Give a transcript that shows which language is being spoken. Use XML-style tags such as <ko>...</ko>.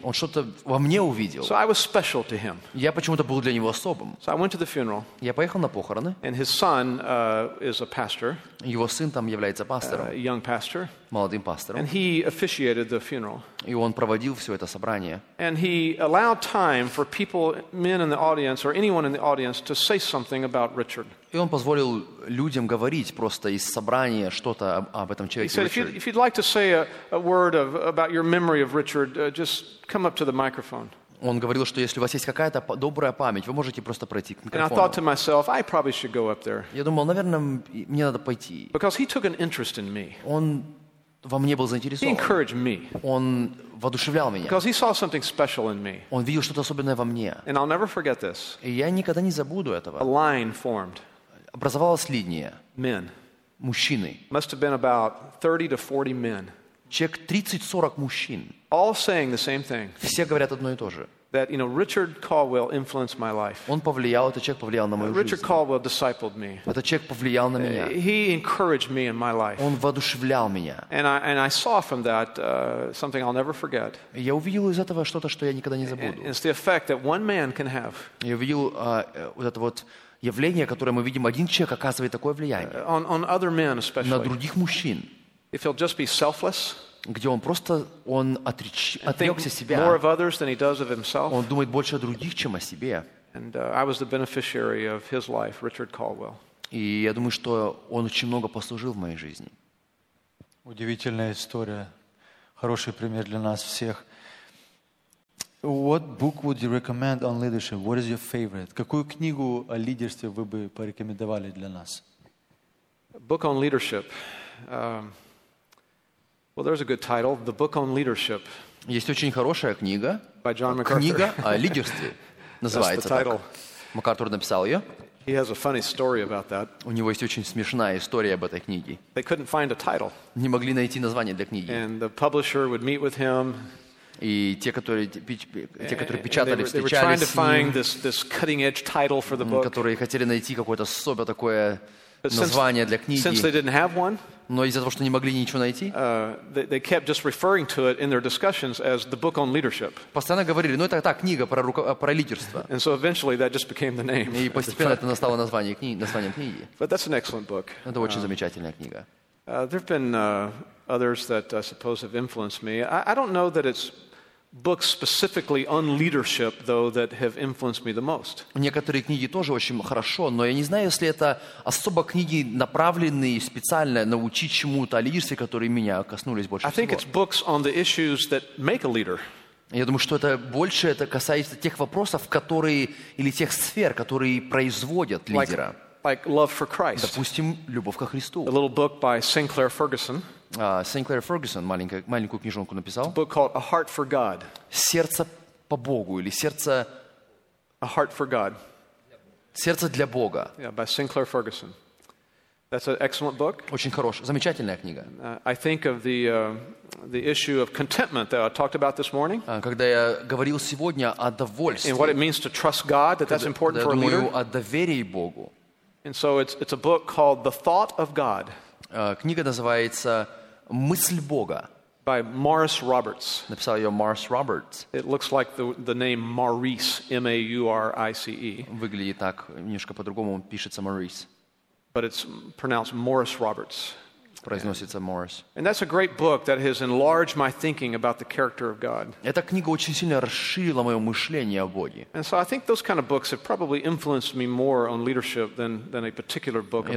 <ru>Он что-то во мне увидел.</ru> <en>So I was special to him.</en> <ru>Я почему-то был для него особым.</ru> <en>So I went to the funeral.</en> <ru>Я поехал на похороны.</ru> <en>And his son is a pastor.</en> <ru>Его сын там является пастором.</ru> <en>Young pastor.</en> <ru>Молодым пастором.</ru> <en>And he officiated the funeral.</en> <ru>И он проводил все это собрание.</ru> <en>And he allowed time for people, men in the audience or anyone in the audience to say something about Richard.</en> <ru>И он позволил людям говорить просто из собрания что-то об этом человеке.</ru> <en>He said, if you'd like to say a word about your memory of Richard, just come up to the microphone.</en> <ru>Он говорил, что если у вас есть какая-то добрая память, вы можете просто пройти к микрофону.</ru> <en>And I thought to myself, I probably should go up there.</en> <ru>Я думал, наверное, мне надо пойти.</ru> <en>Because he took an interest in me.</en> <ru>Он во мне был заинтересован.</ru> <en>He encouraged me.</en> <ru>Он воодушевлял меня.</ru> <en>Because he saw something special in me.</en> <ru>Он видел что-то особенное во мне.</ru> <en>And I'll never forget this.</en> <ru>И я никогда не забуду этого.</ru> <en>A line formed.</en> <ru>Образовалась линия.</ru> <en>Men.</en> <ru>Мужчины.</ru> <en>Must have been about 30 to 40 men.</en> <ru>Человек 30-40 мужчин.</ru> <en>All saying the same thing.</en> <ru>Все говорят одно и то же.</ru> <en>That, you know, Richard Caldwell influenced my life.</en> <ru>Он повлиял, этот человек повлиял на мою жизнь.</ru> <en>Richard Caldwell discipled me.</en> <ru>Этот человек повлиял на меня.</ru> <en>He encouraged me in my life.</en> <ru>Он воодушевлял меня.</ru> <en>And I saw from that something I'll never forget.</en> <ru>Я увидел из этого что-то, что я никогда не забуду.</ru> <en>It's the effect that one man can have.</en> <ru>Я увидел вот это вот явление, которое мы видим, один человек оказывает такое влияние.</ru> <en>On other men especially.</en> <ru>На других мужчин.</ru> <en>If he'll just be selfless.</en> <ru>Где он просто он отрекся себя.</ru> <en>More of others than he does of himself.</en> <ru>Он думает больше о других, чем о себе.</ru> <en>And I was the beneficiary of his life, Richard Caldwell.</en> <ru>И я думаю, что он очень много послужил в моей жизни. Удивительная история. Хороший пример для нас всех.</ru> <en>What book would you recommend on leadership? What is your favorite?</en> <ru>Какую книгу о лидерстве вы бы порекомендовали для нас?</ru> <en>Book on leadership. Well, there's a good title, The Book on Leadership.</en> <ru>Есть очень хорошая книга.</ru> <en>By John MacArthur.</en> <ru>Книга о лидерстве называется.</ru> <en>That's the title.</en> <ru>MacArthur написал ее.</ru> <en>He has a funny story about that.</en> <ru>У него есть очень смешная история об этой книге.</ru> <en>They couldn't find a title.</en> <ru>Не могли найти название для книги.</ru> <en>And the publisher would meet with him.</en> <ru>И те, которые печатали, встречались с ним.</ru> <en>They were trying to find this cutting-edge title for the book.</en> <ru>Которые хотели найти какое-то особо такое название для книги.</ru> <en>Since they didn't have one.</en> <ru>Но из-за того, что не могли ничего найти,</ru> <en>they kept just referring to it in their discussions as the book on leadership.</en> <ru>Постоянно говорили, ну это та книга про лидерство.</ru> <en>And so eventually that just became the name.</en> <ru>И постепенно это стало названием книги.</ru> <en>But that's an excellent book.</en> <ru>Это очень замечательная книга.</ru> <en>There have been others that I suppose have influenced me. I don't know that it's books specifically on leadership, though, that have influenced me the most.</en> <ru>Некоторые книги тоже очень хорошо, но я не знаю, если это особо книги, направленные специально научить чему-то о лидерстве, которые меня коснулись больше всего.</ru> <en>I think it's books on the issues that make a leader.</en> <ru>Я думаю, что это больше это касается тех вопросов, которые или тех сфер, которые производят лидера.</ru> <en>Like love for Christ.</en> <ru>Допустим, любовь ко Христу.</ru> <en>A little book by Sinclair Ferguson.</en> <ru>Sinclair Ferguson маленькую книжонку написал.</ru> <en>A book called A Heart for God.</en> <ru>Сердце по Богу или сердце.</ru> <en>A heart for God.</en> <ru>Сердце для Бога.</ru> <en>Yeah, by Sinclair Ferguson. That's an excellent book.</en> <ru>Очень хорошая, замечательная книга.</ru> <en>I think of the issue of contentment that I talked about this morning.</en> <ru>Когда я говорил сегодня о довольстве.</ru> <en>And what it means to trust God, that's important for a leader.</en> <ru>О доверии Богу.</ru> <en>And so it's a book called The Thought of God.</en> <ru>Книга называется «Мысль Бога».</ru> <en>By Morris Roberts.</en> <ru>Написал ее Morris Roberts.</ru> <en>It looks like the name Maurice, M-A-U-R-I-C-E.</en> <ru>Выглядит так, немножко по-другому пишется Maurice.</ru> <en>But it's pronounced Morris Roberts.</en> <ru>Произносится Morris.</ru> <en>And that's a great book that has enlarged my thinking about the character of God.</en> <ru>Эта книга очень сильно расширила мое мышление о Боге.</ru> <en>And so I think those kind of books have probably influenced me more on leadership than a particular book about</en>